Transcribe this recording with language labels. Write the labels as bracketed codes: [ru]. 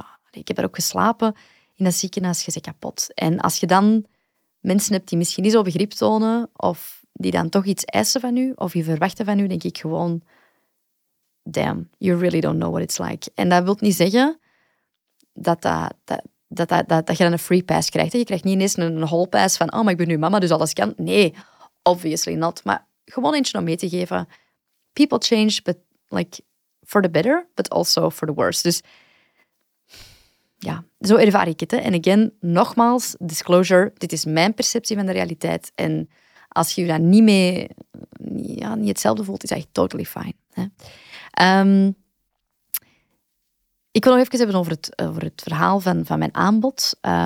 [nl] Ik heb er ook geslapen in dat ziekenhuis. Je bent kapot. En als je dan mensen hebt die misschien niet zo begrip tonen, of die dan toch iets eisen van je, of je verwachten van je, denk ik gewoon, [en] damn, you really don't know what it's like. [nl] En dat wil niet zeggen... Dat, dat, dat, dat je dan een free pass krijgt. Je krijgt niet ineens een hall pass van oh, maar ik ben nu mama, dus alles kan. Nee, [en] obviously not. [nl] Maar gewoon eentje om mee te geven. [en] People change, but like for the better, but also for the worse. [nl] Dus ja, zo ervaar ik het. Hè. En again, nogmaals, disclosure, dit is mijn perceptie van de realiteit. En als je je daar niet mee, ja, niet hetzelfde voelt, is eigenlijk [en] totally fine. [nl] Hè. Ik wil nog even hebben over het verhaal van mijn aanbod.